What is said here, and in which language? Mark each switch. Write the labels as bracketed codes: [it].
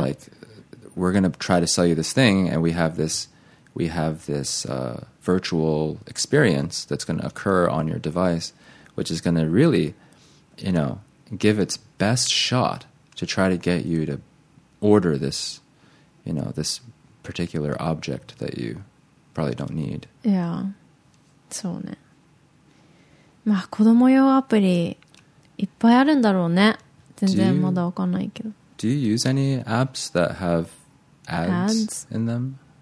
[en] Like, we're going to try to sell you this thing and we have this virtual experience that's going to occur on your device, which is going to really, you know, give its best shot to try to get you to order this, you know, this particular object that you probably don't need. Yeah. [ja] そうね。まあ子供用アプリいっぱいあるんだろうね。全然まだわかんないけど。 [en] Do you use any apps that have ads in them?